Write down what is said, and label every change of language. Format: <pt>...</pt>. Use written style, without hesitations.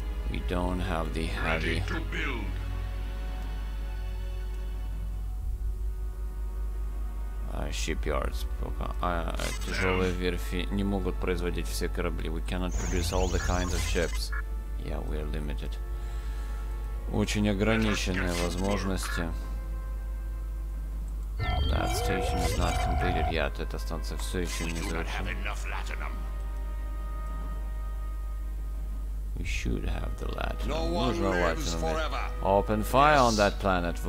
<en>We don't have the heavy. Shipyards.</en> <ru>Пока тяжелые верфи не могут производить все корабли.</ru> <en>We cannot produce all the kinds of ships. Yeah, we are limited.</en> <ru>Очень ограниченные возможности.</ru> <en>That station is not completed yet.</en> <ru>Эта станция все еще не завершена.</ru> <en>We should have the latinum.</en> <ru>Нужно латинум.</ru> <en>Open fire on that planet.</en>